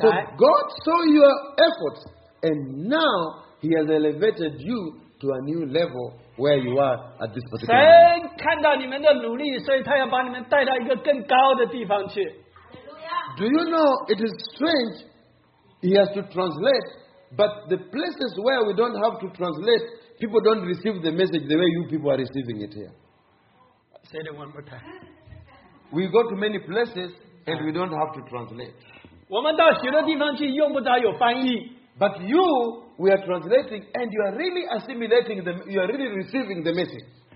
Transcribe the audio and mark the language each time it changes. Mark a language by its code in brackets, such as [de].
[en] So God saw your efforts and now He has elevated you to a new level where you are at this particular moment. [zh] 神看到你们的努力, 所以他要把你们带到一个更高的地方去。 [en] Do you know, it is strange, He has to translate, but the places where we don't have to translate, people don't receive the message the way you people are receiving it here. Say it one more time. We go to many places and we don't have to translate. [zh] 我们到许多地方去用不着有翻译。 [en] But you, we are translating and you are really assimilating them, you are really receiving the message.